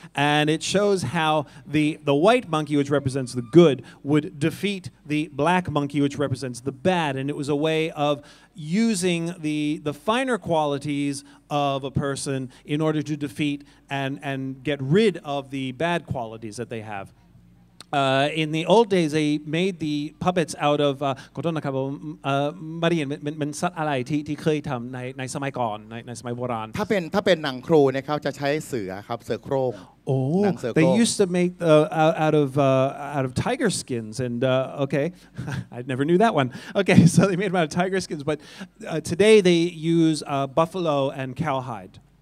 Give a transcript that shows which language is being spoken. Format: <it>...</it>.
<en>And it shows how the white monkey, which represents the good, would defeat the black monkey, which represents the bad. And it was a way of using the finer qualities of a person in order to defeat and get rid of the bad qualities that they have. In the old days, they made the puppets out of</en> <th>ขอโทษนะครับผมไม่ได้ยินมันสัตว์อะไรที่เคยทำในสมัยก่อนในสมัยโบราณ ถ้าเป็นหนังครูเนี่ยเขาจะใช้เสือครับเสือโคร่ง</th> <en>Oh, they used to make out of tiger skins, and okay, I never knew that one. Okay, so they made them out of tiger skins, but today they use buffalo and cowhide.</en>